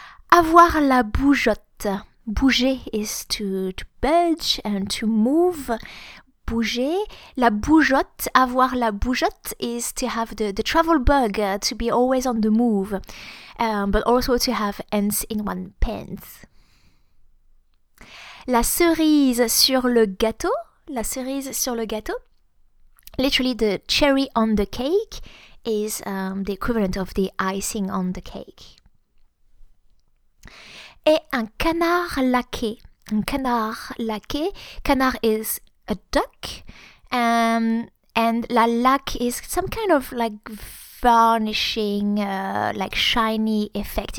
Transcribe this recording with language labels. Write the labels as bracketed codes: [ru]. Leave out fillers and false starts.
[fr] Avoir la bougeotte. Bouger [en] is to budge and to move. [fr] Bouger. La bougeotte. Avoir la bougeotte [en] is to have the travel bug, to be always on the move, but also to have ants in one's pants. [fr] La cerise sur le gâteau, la cerise sur le gâteau. [en] Literally, the cherry on the cake is the equivalent of the icing on the cake. [fr] Et un canard laqué, un canard laqué. [en] Canard is a duck, and la laque is some kind of like varnishing, like shiny effect.